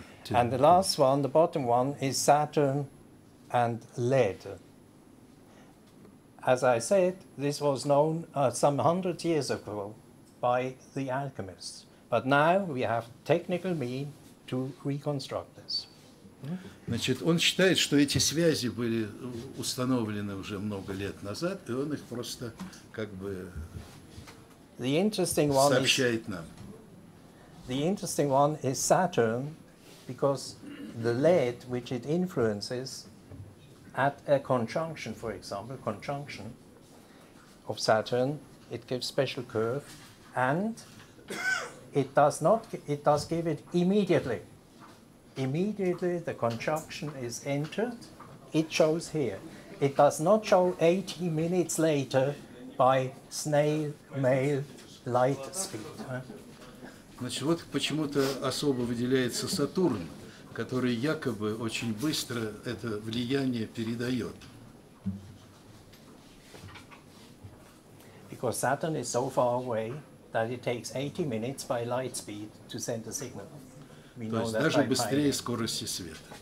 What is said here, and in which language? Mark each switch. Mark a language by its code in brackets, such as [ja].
[en] And the last one, the bottom one, is Saturn and lead. As I said, this was known some 100 years ago by the alchemists. But now we have technical means to reconstruct this. [ru] Значит, он считает, что эти связи были установлены уже много лет назад, и он их просто как бы сообщает нам. [en] The interesting one is Saturn, because the lead, which it influences at a conjunction, for example, conjunction of Saturn, it gives special curve, and it does give it immediately. Immediately the conjunction is entered, it shows here. It does not show 80 minutes later by snail mail light speed. [ru] Значит, вот почему-то особо выделяется Сатурн, который якобы очень быстро это влияние передает. [en] Because Saturn is so far away that it takes 80 minutes by light speed to send a signal. [ru] То есть даже быстрее скорости света.